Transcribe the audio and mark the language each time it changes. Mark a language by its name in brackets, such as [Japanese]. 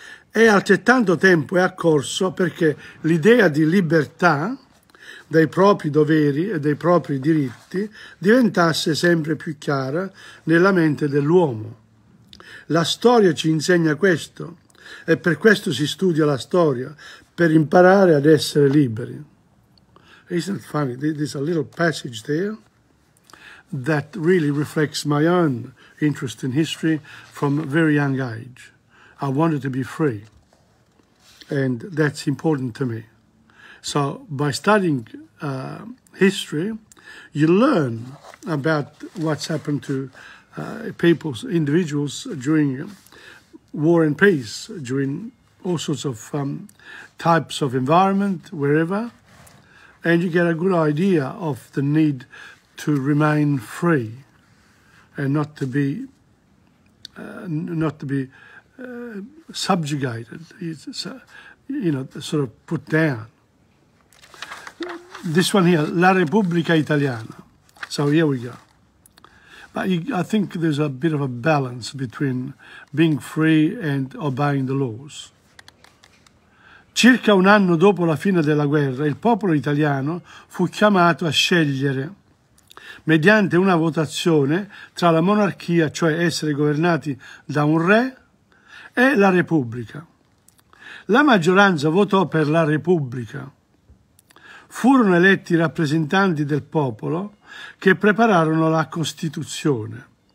[Italian] E altrettanto tempo è accorso perché l'idea di libertà dei propri doveri e dei propri diritti diventasse sempre più chiara nella mente dell'uomo. La storia ci insegna questo e per questo si studia la storia, per imparare ad essere liberi. [English] Isn't it funny? There's a little passage there that really reflects my own interest in history from a very young age. I wanted to be free. And that's important to me. So by studying history, you learn about what's happened to people, individuals during war and peace, during all sorts of types of environment, wherever. And you get a good idea of the need to remain free and not to be subjugated, it's, you know, sort of put down. this one here, La Repubblica Italiana. So here we go. But I think there's a bit of a balance between being free and obeying the laws. [Italian] Circa un anno dopo la fine della guerra, il popolo italiano fu chiamato a scegliere, mediante una votazione, tra la monarchia, cioè essere governati da un re, e la Repubblica. La maggioranza votò per la Repubblica. Furono eletti i rappresentanti del popolo che prepararono la Costituzione.